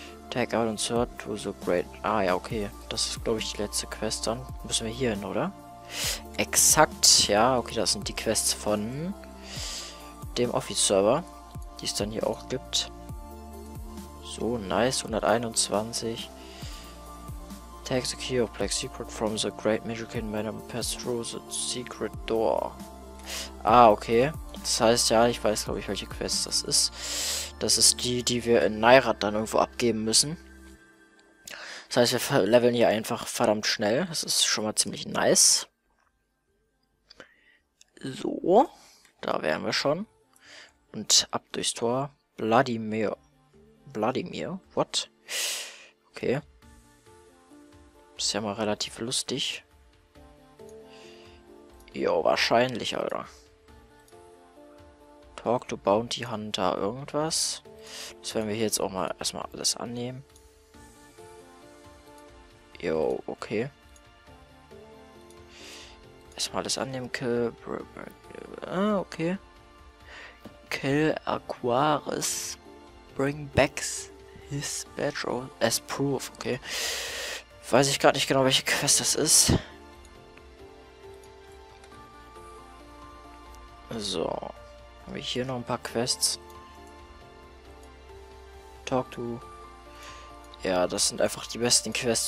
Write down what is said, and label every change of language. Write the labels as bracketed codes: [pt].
[de] Tag out und Sword to the Great. Ah ja, okay. Das ist, glaube ich, die letzte Quest dann. Müssen wir hier hin, oder? Exakt, ja. Okay, das sind die Quests von dem Office-Server, die es dann hier auch gibt. So, nice. 121. [en] Take the key of Black Secret from the Great Magician Manor. Pass through the Secret Door. [de] Ah, okay. Das heißt, ja, ich weiß, glaube ich, welche Quest das ist. Das ist die, die wir in Nairat dann irgendwo abgeben müssen. Das heißt, wir leveln hier einfach verdammt schnell. Das ist schon mal ziemlich nice. So, da wären wir schon. Und ab durchs Tor. Vladimir. Vladimir? What? Okay. Ist ja mal relativ lustig. Jo, wahrscheinlich, Alter. [en] Talk to Bounty Hunter, irgendwas. [de] Das werden wir hier jetzt auch mal erstmal alles annehmen. Jo, okay. Erstmal alles annehmen. [en] Kill. Ah, okay. Kill Aquaris. Bring back his badge as proof. [de] Okay. Weiß ich gerade nicht genau, welche Quest das ist. So. Habe ich hier noch ein paar Quests. Talk to. Ja, das sind einfach die besten Quests.